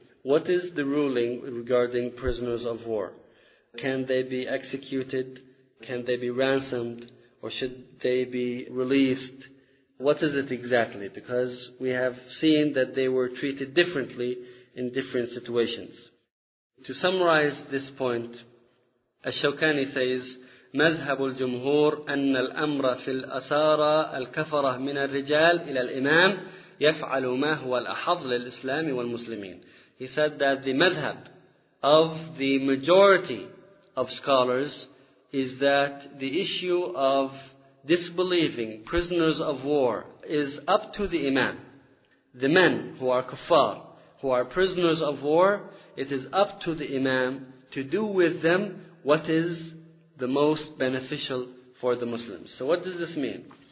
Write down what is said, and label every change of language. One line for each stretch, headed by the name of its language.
English: What is the ruling regarding prisoners of war? Can they be executed? Can they be ransomed? Or should they be released? What is it exactly? Because we have seen that they were treated differently in different situations. To summarize this point, Ash-Shawkani says,
Arabic: مذهب الجمهور أن الأمر في الأسارة الكفرة من الرجال إلى الإمام يفعل ما هو الأحظ للإسلام والمسلمين.
English: He said that the madhab of the majority of scholars is that the issue of disbelieving prisoners of war is up to the imam. The men who are kuffar, who are prisoners of war, it is up to the imam to do with them what is the most beneficial for the Muslims. So what does this mean?